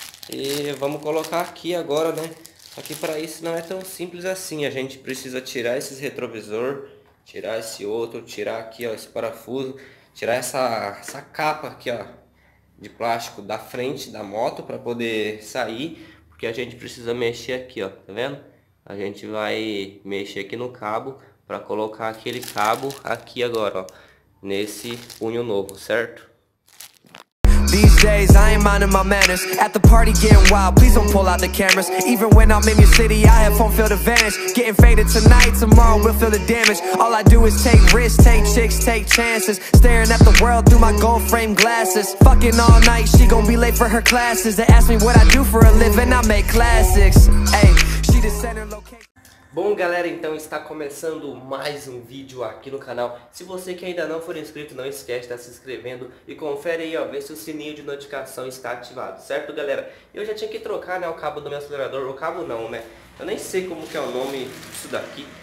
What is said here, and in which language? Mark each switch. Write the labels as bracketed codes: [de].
[pt] E vamos colocar aqui agora, né? Só que para isso não é tão simples assim. A gente precisa tirar esses retrovisor, tirar esse outro, tirar aqui, ó, esse parafuso, tirar essa capa aqui, ó, de plástico da frente da moto para poder sair, porque a gente precisa mexer aqui, ó. Tá vendo? A gente vai mexer aqui no cabo para colocar aquele cabo aqui agora, ó, nesse punho novo, certo? [en] These days I ain't minding my manners. At the party getting wild, please don't pull out the cameras. Even when I'm in your city, I have phone feel to vanish. Getting faded tonight, tomorrow we'll feel the damage. All I do is take risks, take chicks, take chances. Staring at the world through my gold frame glasses. Fucking all night, she gon' be late for her classes. They ask me what I do for a living, I make classics. Ay, she the center location. [pt] Bom, galera, então está começando mais um vídeo aqui no canal. Se você que ainda não for inscrito, não esquece de estar se inscrevendo e confere aí, ó, ver se o sininho de notificação está ativado, certo, galera? Eu já tinha que trocar, né, o cabo do meu acelerador, o cabo não, né? Eu nem sei como que é o nome disso daqui.